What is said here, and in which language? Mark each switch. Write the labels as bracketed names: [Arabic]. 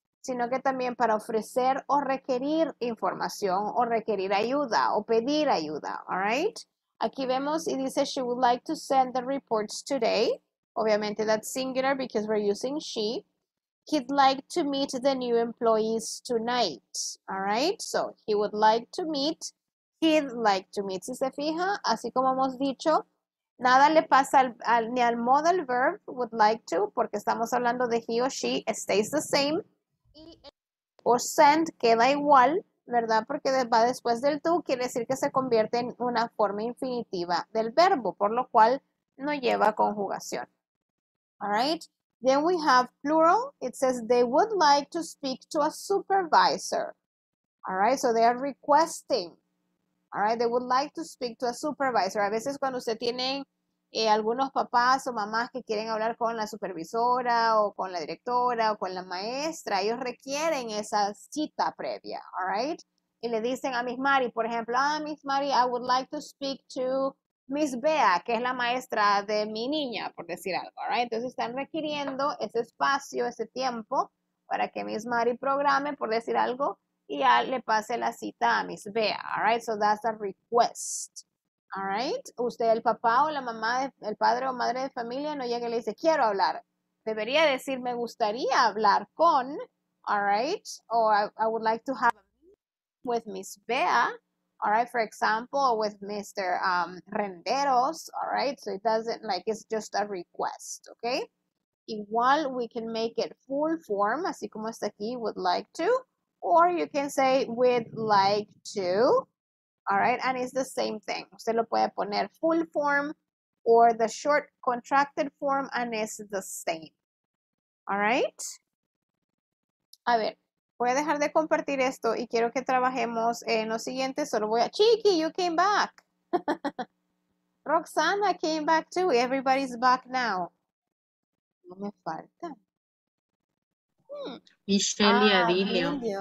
[Spanish] Sino que también para ofrecer o requerir información o requerir ayuda o pedir ayuda, all right? Aquí vemos y dice [English] she would like to send the reports today. Obviamente that's singular because we're using she. He'd like to meet the new employees tonight, all right? So he would like to meet, [Spanish] he'd like to meet. Si se fija, así como hemos dicho, nada le pasa ni al modal verb, would like to, porque estamos hablando de he o she, [English] stays the same. [Spanish] y el or send queda igual, ¿verdad? Porque va después del to, quiere decir que se convierte en una forma infinitiva del verbo, por lo cual no lleva conjugación. [English] All right. Then we have plural. It says they would like to speak to a supervisor. All right. So they are requesting. All right. They would like to speak to a supervisor. [Spanish] A veces cuando usted tiene algunos papás o mamás que quieren hablar con la supervisora o con la directora o con la maestra, ellos requieren esa cita previa. All right. Y le dicen a Miss Mari, por ejemplo, ah, Miss Mari, [English] I would like to speak to Miss Bea, [Spanish] que es la maestra de mi niña, por decir algo, ¿verdad? Entonces están requiriendo ese espacio, ese tiempo, para que Miss Mari programe, por decir algo, y ya le pase la cita a Miss Bea, ¿verdad? [English] So that's a request, [Spanish] ¿verdad? Usted, el papá o la mamá, el padre o madre de familia, no llega y le dice, quiero hablar. Debería decir, me gustaría hablar con, ¿verdad? [English] O I would like to have a meeting with Miss Bea. All right, for example, with Mr. Renderos, all right? So it doesn't, like, it's just a request, okay? [Spanish] Igual, [English] we can make it full form, así como está aquí, would like to. Or you can say, would like to, all right? And it's the same thing. [Spanish] Usted lo puede poner [English] full form or the short contracted form, and it's the same, all right? [Spanish] A ver. Voy a dejar de compartir esto y quiero que trabajemos en lo siguiente. Solo voy a... [English] Chiqui, you came back. Roxana came back too. Everybody's back now. [Spanish] No me falta. Michelle y Adilio.